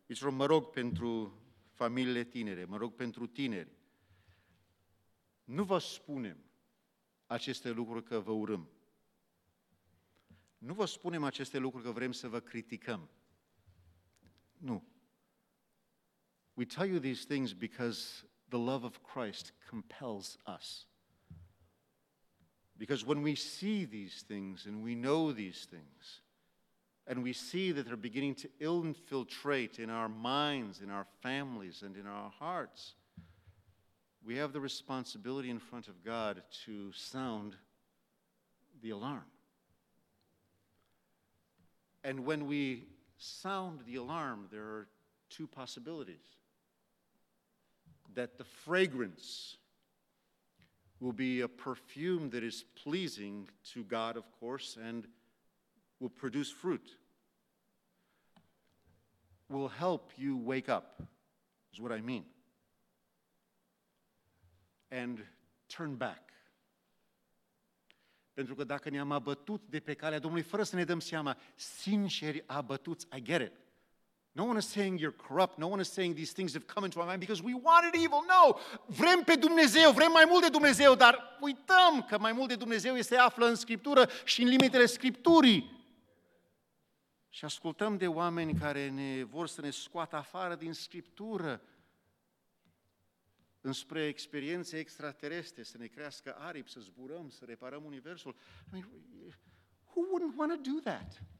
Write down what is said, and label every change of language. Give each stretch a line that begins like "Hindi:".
Romanian: Mă rog pentru familiile tinere, mă rog pentru tineri. Nu vă spunem aceste lucruri că vă urâm. Nu vă spunem aceste lucruri că vrem să vă criticăm. Nu.
English: We tell you these things because the love of Christ compels us. Because when we see these things and we know these things and we see that they're beginning to infiltrate in our minds, in our families, and in our hearts, we have the responsibility in front of God to sound the alarm. And when we sound the alarm, there are two possibilities. That the fragrance will be a perfume that is pleasing to God, of course, and will produce fruit. Will help you wake up, is what I mean. And turn back.
Romanian: Pentru că dacă ne-am abătut de pe calea Domnului, fără să ne dăm seama, sinceri abătuți,
English: I get it. No one is saying you're corrupt. No one is saying these things have come into our mind because we wanted evil. No!
Romanian: Vrem pe Dumnezeu, vrem mai mult de Dumnezeu, dar uităm că mai mult de Dumnezeu se află în Scriptură și în limitele Scripturii. Și ascultăm de oameni care ne vor să ne scoată afară din Scriptură înspre experiențe extraterestre, să ne crească aripi, să zburăm, să reparăm Universul.
English: I mean, who wouldn't want to do that?